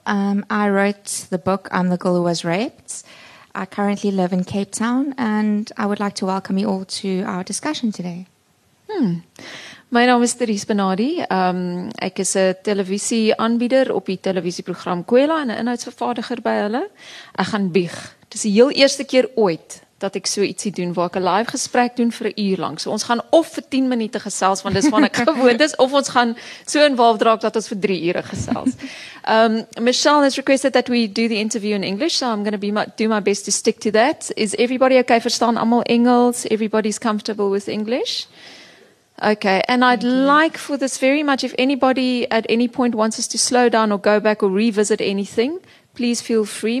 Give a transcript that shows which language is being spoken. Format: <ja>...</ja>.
<en>I wrote the book I'm the Girl Who Was Raped. I currently live in Cape Town and I would like to welcome you all to our discussion today.</en> <af>My naam is Therese, Benade. Ek is 'n televisieaanbieder op die televisieprogram Kwêla en 'n inhoudsvervaardiger by hulle. Ek gaan bieg. Het is die heel eerste keer ooit dat ek so ietsie doen waar ek 'n live gesprek doen vir 'n uur lang. So ons gaan of vir 10 minute gesels, want dis van ek gewoond is, of ons gaan so involved raak dat ons vir 3 ure gesels.</af> <en>Michelle has requested that we do the interview in English, so I'm going to do my best to stick to that. Is everybody okay?</en> <af>Verstaan allemaal Engels?</af> <en>Everybody's comfortable with English? Okay, and I'd like for this very much, if anybody at any point wants us to slow down or go back or revisit anything, please feel free.</en>